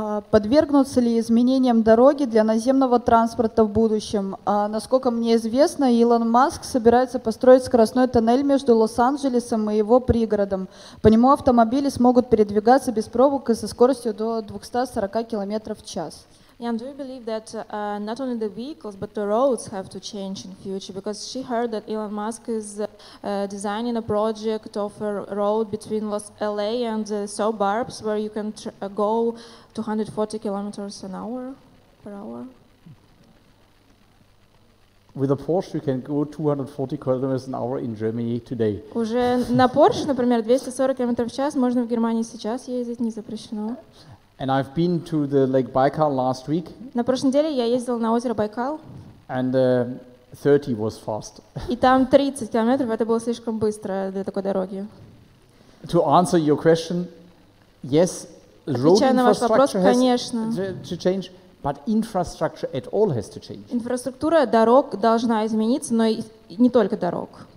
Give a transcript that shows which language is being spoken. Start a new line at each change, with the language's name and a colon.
Russian: Подвергнутся ли изменениям дороги для наземного транспорта в будущем? Насколько мне известно, Илон Маск собирается построить скоростной тоннель между Лос-Анджелесом и его пригородом. По нему автомобили смогут передвигаться без пробок и со скоростью до 240 км в час.
English: And do you believe that not only the vehicles but the roads have to change in future? Because she heard that Elon Musk is designing a project of a road between LA and suburbs where you can go 240 kilometers an hour per hour. With a Porsche, you can go 240 kilometers an hour in Germany today.
Russian: Уже на Porsche, например, 240 км в час можно в Германии сейчас ездить, не запрещено.
English: And I've been to the Lake Baikal last week.
Russian: На прошлой неделе я ездил на озеро Байкал.
English: And 30 was fast.
Russian: И там 30 километров, это было слишком быстро для такой дороги.
English: To answer your question, yes, road infrastructure has to change, but infrastructure at all has to change.
Russian: Инфраструктура дорог должна измениться, но не только дорог.